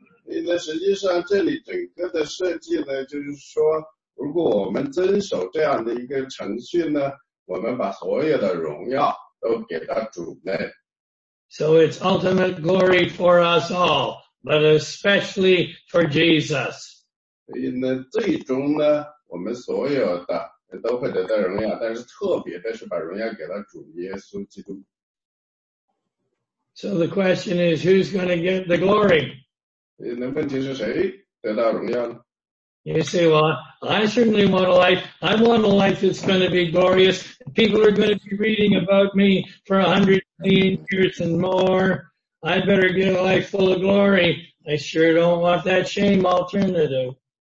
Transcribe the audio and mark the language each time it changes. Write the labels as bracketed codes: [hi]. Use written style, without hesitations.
[zh] 那实际上这里整个的设计呢，就是说，如果我们遵守这样的一个程序呢，我们把所有的荣耀都给到主内。 [en] So it's ultimate glory for us all, but especially for Jesus. [zh] 所以呢，最终呢，我们所有的都会得到荣耀，但是特别的是把荣耀给到主耶稣基督。 [en] So the question is, who's going to get the glory? [zh] 所以呢，问题是谁得到荣耀呢？ [en] You say, well, I certainly want a life. I want a life that's going to be glorious. People are going to be reading about me for 100 million years and more. I better get a life full of glory. I sure don't want that shame alternative.